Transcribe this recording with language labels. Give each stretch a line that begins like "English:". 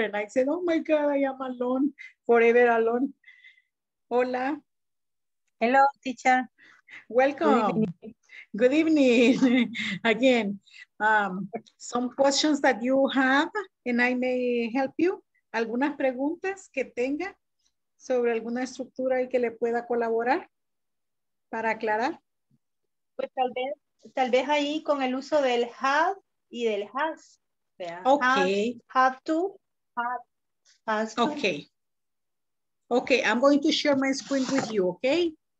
English: And I said, oh my God, I am alone, forever alone.
Spanish: Hola.
English: Hello, teacher. Welcome. Good evening. Good evening. Again, some questions that you have and I may help you.
Spanish: Algunas preguntas que tenga sobre alguna estructura y que le pueda colaborar para aclarar. Pues tal vez ahí con el uso del have y del has.
English: Okay. Have to. Okay. Okay, I'm going to share my screen with you, okay?